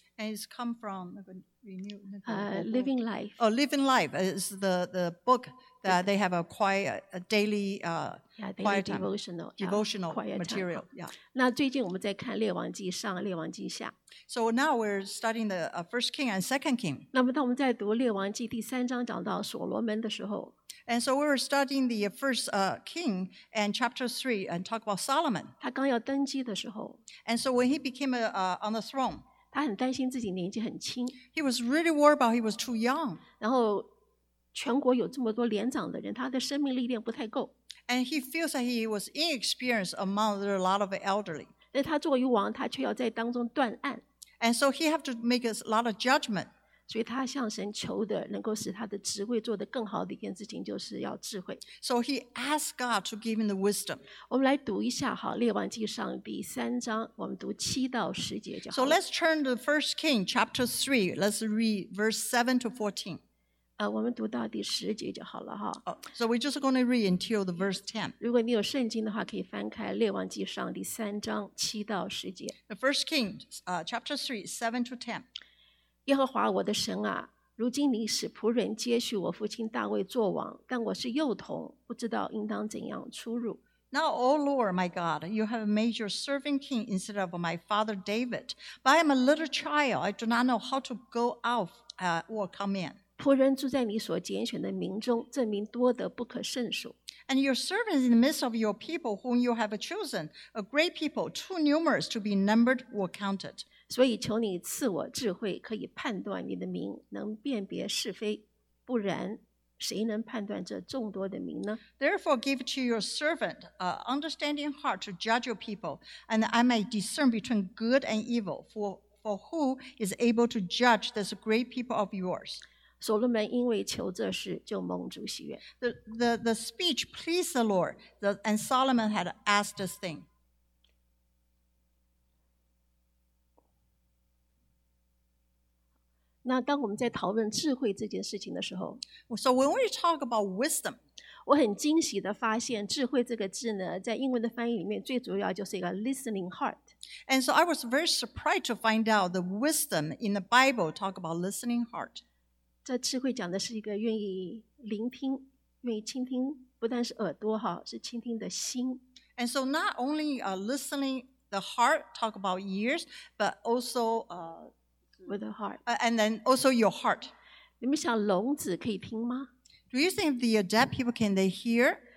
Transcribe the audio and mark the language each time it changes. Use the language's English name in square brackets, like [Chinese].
[English] And it's come from Renew Living Life. Oh, Living Life is the book that they have a daily quiet devotional, devotional quiet material. Yeah. [Chinese] 那最近我们在看列王记上、列王记下。 [English] So now we're studying the First King and Second King. [Chinese] 那么当我们在读列王记第三章讲到所罗门的时候。 [English] And so we were studying the first king and chapter 3 and talk about Solomon. [Chinese] 他刚要登基的时候。 [English] And so when he became on the throne, [Chinese] 他很担心自己年纪很轻。 [English] He was really worried about he was too young. [Chinese] 然后全国有这么多年长的人，他的生命力量不太够。 [English] And he feels that he was inexperienced among a lot of elderly. [Chinese] 但他作为王，他却要在当中断案。 [English] And so he had to make a lot of judgment. [Chinese] 所以他向神求的能够使他的职位做得更好的一件事情就是要智慧。 [English] So he asked God to give him the wisdom. [Chinese] 我们来读一下好列王记上第三章我们读七到十节就好了。 [English] So let's turn to the first king, chapter 3. Let's read verse 7 to 14. [Chinese] 我们读到第十节就好了。 [English] Oh, so we're just going to read until the verse 10. [Chinese] 如果你有圣经的话可以翻开列王记上第三章七到十节。 [English] The first king, chapter 3, 7 to 10. [Chinese] 耶和华我的神啊，如今你使仆人接续我父亲大卫作王，但我是幼童，不知道应当怎样出入。 [English] Now, O Lord, my God, you have made your servant king instead of my father David. But I am a little child; I do not know how to go out, or come in. [Chinese] 仆人住在你所拣选的民中，这民多得不可胜数。 [English] And your servant is in the midst of your people, whom you have chosen, a great people, too numerous to be numbered or counted. [Chinese] 所以求你赐我智慧，可以判断你的名，能辨别是非。不然，谁能判断这众多的名呢 [English] ？Therefore, give to your servant an understanding heart to judge your people, and I may discern between good and evil. For who is able to judge this great people of yours? [Chinese] 所罗门因为求这事，就蒙主喜悦。 [English] The speech pleased the Lord, and Solomon had asked this thing. [Chinese] 那当我们在讨论智慧这件事情的时候 [English] ，So when we talk about wisdom， [Chinese] 我很惊喜的发现“智慧”这个字呢，在英文的翻译里面，最主要就是一个 [English] listening heart。 And so I was very surprised to find out the wisdom in the Bible talk about listening heart。 [Chinese] 这智慧讲的是一个愿意聆听、愿意倾听，不但是耳朵哈，是倾听的心。 [English] And so not only a listening the heart talk about ears， but also With the heart, and then also your heart. [Chinese] 你们想聋子可以听吗 [English] ？Do you think the deaf people can they hear?